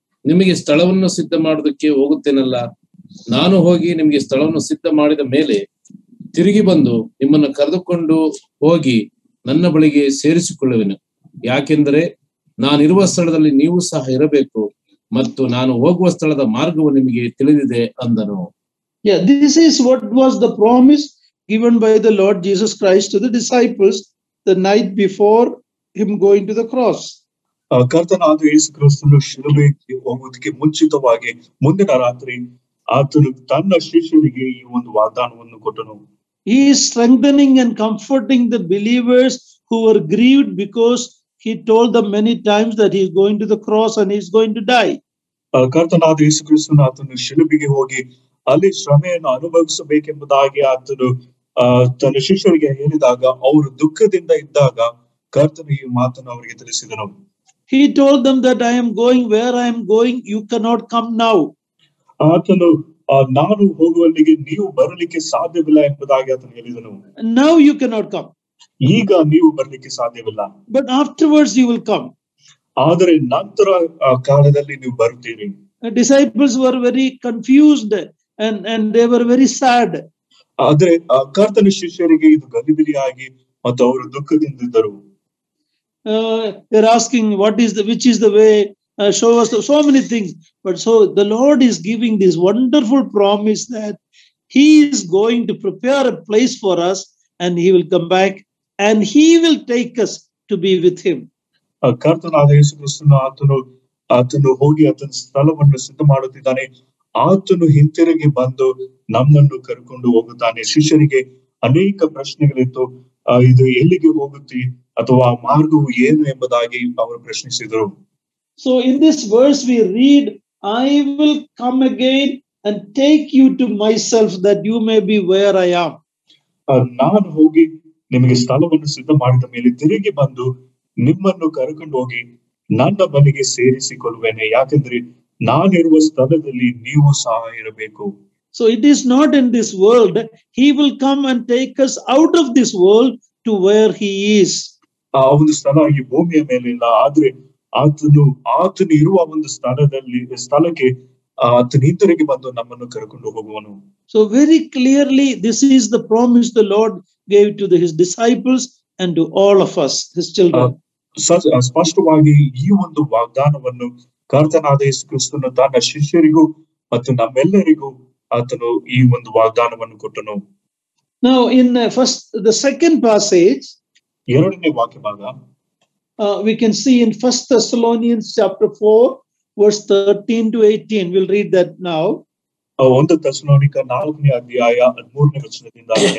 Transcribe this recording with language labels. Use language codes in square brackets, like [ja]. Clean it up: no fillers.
[kn] ನಿಮಗೆ ಸ್ಥಳವನ್ನು ಸಿದ್ಧ ಮಾಡೋದಕ್ಕೆ ಹೋಗುತ್ತೇನಲ್ಲ, ನಾನು ಹೋಗಿ ನಿಮಗೆ ಸ್ಥಳವನ್ನು ಸಿದ್ಧ ಮಾಡಿದ ಮೇಲೆ ತಿರುಗಿ ಬಂದು ನಿಮ್ಮನ್ನು ಕರೆದುಕೊಂಡು ಹೋಗಿ ನನ್ನ ಬಳಿಗೆ ಸೇರಿಸಿಕೊಳ್ಳುವೆನು. ಯಾಕೆಂದರೆ ನಾನಿರುವ ಸ್ಥಳದಲ್ಲಿ ನೀವು ಸಹ ಇರಬೇಕು, ಮತ್ತು ನಾನು ಹೋಗುವ ಸ್ಥಳದ ಮಾರ್ಗವು ನಿಮಗೆ ತಿಳಿದಿದೆ ಅಂದನು. [en] Yeah, this is what was the promise given by the Lord Jesus Christ to the disciples the night before him going to the cross. [kn] ಕರ್ತನಾದ ಯೇಸು ಕ್ರಿಸ್ತನು ಶಿಲುಬೆಗೆ ಹೋಗುವುದಕ್ಕೆ ಮುಂಚಿತವಾಗಿ ಮುಂದಿನ ರಾತ್ರಿ ಆತನು ತನ್ನ ಶಿಷ್ಯರಿಗೆ ಈ ಒಂದು ವಾಗ್ದಾನವನ್ನು ಕೊಟ್ಟನು. [en] He is strengthening and comforting the believers who were grieved because he told them many times that he is going to the cross and he is going to die. [kn] ಕರ್ತನಾದ ಯೇಸು ಕ್ರಿಸ್ತನು ಆತನು ಶಿಲುಬೆಗೆ ಹೋಗಿ ಅಲ್ಲಿ ಶ್ರಮೆಯನ್ನು ಅನುಭವಿಸಬೇಕೆಂಬುದಾಗಿ ಆತನು ತನ್ನ ಶಿಷ್ಯರಿಗೆ ಹೇಳಿದಾಗ ಅವರು ದುಃಖದಿಂದ ಇದ್ದಾಗ ಕರ್ತನು ಈ ಮಾತನ್ನು ಅವರಿಗೆ ತಿಳಿಸಿದನು. [en] He told them that I am going where I am going. You cannot come now. [kn] ಆತನು ನಾನು ಹೋಗುವಲ್ಲಿಗೆ ನೀವು ಬರಲಿಕ್ಕೆ ಸಾಧ್ಯವಿಲ್ಲ ಎಂಬುದಾಗಿ ಆತನು ಹೇಳಿದನು. [en] Now you cannot come. [kn] ಈಗ ನೀವು ಬರಲಿಕ್ಕೆ ಸಾಧ್ಯವಿಲ್ಲ. [en] But afterwards you will come. [kn] ಆದರೆ ನಂತರ ಕಾಲದಲ್ಲಿ ನೀವು ಬರುತ್ತೀರಿ. [en] The disciples were very confused and they were very sad. [kn] ಆದರೆ ಕರ್ತನ ಶಿಷ್ಯರಿಗೆ ಇದು ಗಲಿಬಿಲಿಯಾಗಿ ಮತ್ತು ಅವರು ದುಃಖದಿಂದ ಇದ್ದರು. [en] They're asking which is the way, show us so many things. But so the Lord is giving this wonderful promise that he is going to prepare a place for us and he will come back and he will take us to be with him. [kn] ಕರ್ತನಾದ ಯೇಸು ಕ್ರಿಸ್ತನು ಆತನು ಹೋಗಿ ಆತನ ಸ್ಥಳವನ್ನು ಸಿದ್ಧ ಮಾಡುತ್ತಿದ್ದಾನೆ. ಆತನು ಹಿಂತಿರುಗಿ ಬಂದು ನಮ್ಮನ್ನು ಕರ್ಕೊಂಡು ಹೋಗುತ್ತಾನೆ. ಶಿಷ್ಯರಿಗೆ ಅನೇಕ ಪ್ರಶ್ನೆಗಳಿತ್ತು. ಇದು ಎಲ್ಲಿಗೆ ಹೋಗುತ್ತೆ ಅಥವಾ ಮಾರ್ಗವು ಏನು ಎಂಬುದಾಗಿ ಅವರು ಪ್ರಶ್ನಿಸಿದರು. [en] So in this verse we read, I will come again and take you to myself that you may be where I am. [kn] ನಾನು ಹೋಗಿ ನಿಮಗೆ ಸ್ಥಳವನ್ನು ಸಿದ್ಧ ಮಾಡಿದ ಮೇಲೆ ತಿರುಗಿ ಬಂದು ನಿಮ್ಮನ್ನು ಕರ್ಕೊಂಡು ಹೋಗಿ ನನ್ನ ಬಳಿಗೆ ಸೇರಿಸಿಕೊಳ್ಳುವೆನೆ, ಯಾಕೆಂದ್ರೆ ನಾನಿರುವ ಸ್ಥಳದಲ್ಲಿ ನೀವು ಸಹ ಇರಬೇಕು. [en] So it is not in this world. He will come and take us out of this world to where he is. [kn] ಒಂದು ಸ್ಥಳ ಈ ಭೂಮಿಯ ಮೇಲೆ ಇಲ್ಲ, ಆದ್ರೆ ಆತನು ಇರುವ ಒಂದು ಸ್ಥಳಕ್ಕೆ ಆತನ ಹಿಂತಿರುಗಿ ಬಂದು ನಮ್ಮನ್ನು ಕರ್ಕೊಂಡು ಹೋಗುವನು. [en] So very clearly this is the promise the Lord gave to his disciples and to all of us, his children. [kn] ಸ್ಪಷ್ಟವಾಗಿ ಈ ಒಂದು ವಾಗ್ದಾನವನ್ನು ಕರ್ತನಾದ ಯೇಸು ಕ್ರಿಸ್ತನು ತನ್ನ ಶಿಷ್ಯರಿಗೂ ಮತ್ತು ನಮ್ಮೆಲ್ಲರಿಗೂ ಆತನು ಈ ಒಂದು ವಾಗ್ದಾನವನ್ನು ಕೊಟ್ಟನು. [en] Now in the second passage, [kn] ಎರಡನೇ ವಾಕ್ಯ ಭಾಗ, [en] we can see in 1 Thessalonians chapter 4 verse 13 to 18, we'll read that now. [kn] ಒಂದು ಥೆಸಲೋನಿಕ ನಾಲ್ಕನೇ ಅಧ್ಯಾಯ 13ನೇ ವಚನದಿಂದ